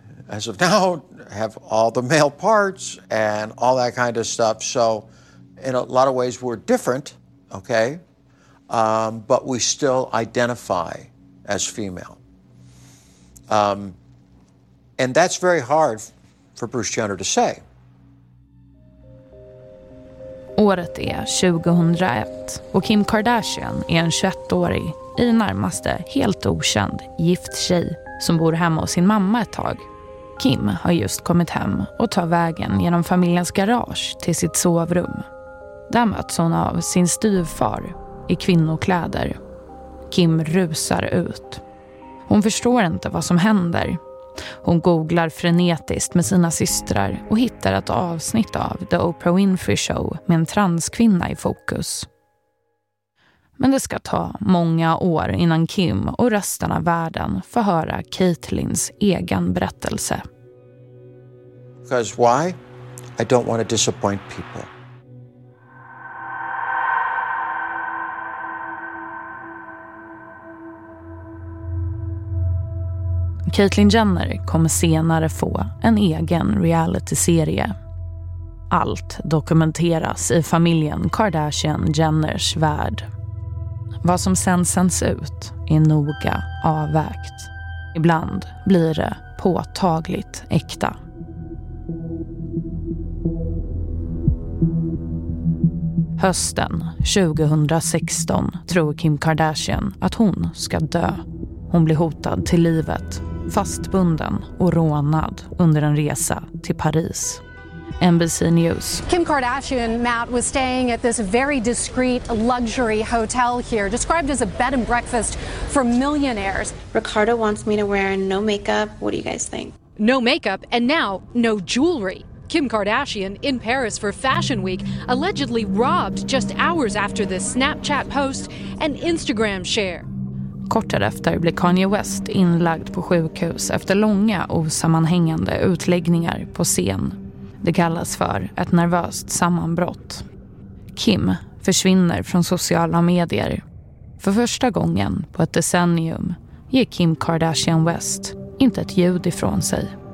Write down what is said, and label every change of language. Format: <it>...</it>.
<en>As of now, I have all the male parts and all that kind of stuff. So in a lot of ways, we're different, okay? But we still identify as female. And that's very hard for Bruce Jenner to say.</en> <sv>Året är 2001 och Kim Kardashian är en 21-årig, i närmaste helt okänd, gift tjej som bor hemma hos sin mamma ett tag. Kim har just kommit hem och tar vägen genom familjens garage till sitt sovrum. Där möts hon av sin styvfar i kvinnokläder. Kim rusar ut. Hon förstår inte vad som händer. Hon googlar frenetiskt med sina systrar och hittar ett avsnitt av The Oprah Winfrey Show med en transkvinna i fokus. Men det ska ta många år innan Kim och resten av världen får höra Caitlyns egen berättelse.</sv> <en>Because why? I don't want to disappoint people.</en> <sv>Caitlyn Jenner kommer senare få en egen reality-serie. Allt dokumenteras i familjen Kardashian-Jenners värld. Vad som sen sänds ut är noga avvägt. Ibland blir det påtagligt äkta. Hösten 2016 tror Kim Kardashian att hon ska dö. Hon blir hotad till livet, fastbunden och rånad under en resa till Paris.</sv> <en>NBC News. Kim Kardashian, Matt, was staying at this very discreet luxury hotel here, described as a bed and breakfast for millionaires. Ricardo wants me to wear no makeup. What do you guys think? No makeup and now no jewelry. Kim Kardashian, in Paris for Fashion Week, allegedly robbed just hours after this Snapchat post and Instagram share.</en> <sv>Kort därefter blev Kanye West inlagd på sjukhus efter långa osammanhängande utläggningar på scen. Det kallas för ett nervöst sammanbrott. Kim försvinner från sociala medier. För första gången på ett decennium ger Kim Kardashian West inte ett ljud ifrån sig.</sv>